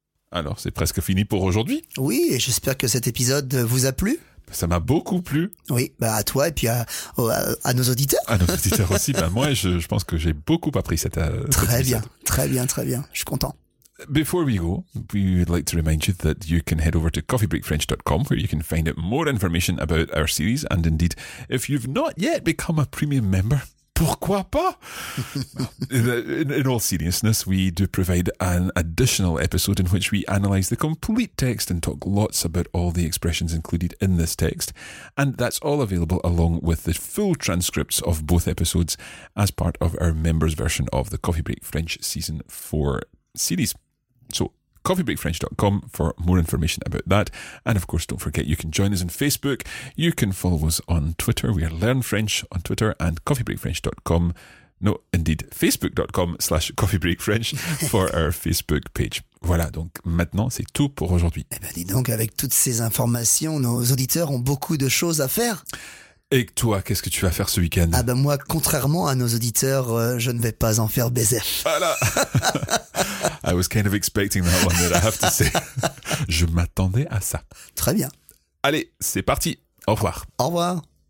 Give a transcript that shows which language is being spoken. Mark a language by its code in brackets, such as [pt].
[fr] Alors, c'est presque fini pour aujourd'hui. Oui, et j'espère que cet épisode vous a plu. Ça m'a beaucoup plu. Oui, bah à toi et puis à nos auditeurs. À nos auditeurs aussi. Bah moi, je pense que j'ai beaucoup appris cette épisode. Très bien. Je suis content. [en] Before we go, we would like to remind you that you can head over to coffeebreakfrench.com where you can find out more information about our series. And indeed, if you've not yet become a premium member, [fr] pourquoi pas? [en] in all seriousness, we do provide an additional episode in which we analyse the complete text and talk lots about all the expressions included in this text. And that's all available along with the full transcripts of both episodes as part of our members' version of the Coffee Break French Season 4 series. So, coffeebreakfrench.com for more information about that. And of course, don't forget, you can join us on Facebook. You can follow us on Twitter. We are Learn French on Twitter and coffeebreakfrench.com. No, indeed, facebook.com/coffeebreakfrench for our Facebook page. [fr] Voilà, donc maintenant, c'est tout pour aujourd'hui. Eh bien, dis donc, avec toutes ces informations, nos auditeurs ont beaucoup de choses à faire. Et toi, qu'est-ce que tu vas faire ce week-end? Ah ben moi, contrairement à nos auditeurs, je ne vais pas en faire baiser. Voilà. [en] I was kind of expecting that one, but I have to say, [fr] je m'attendais à ça. Très bien. Allez, c'est parti. Au revoir. Au revoir.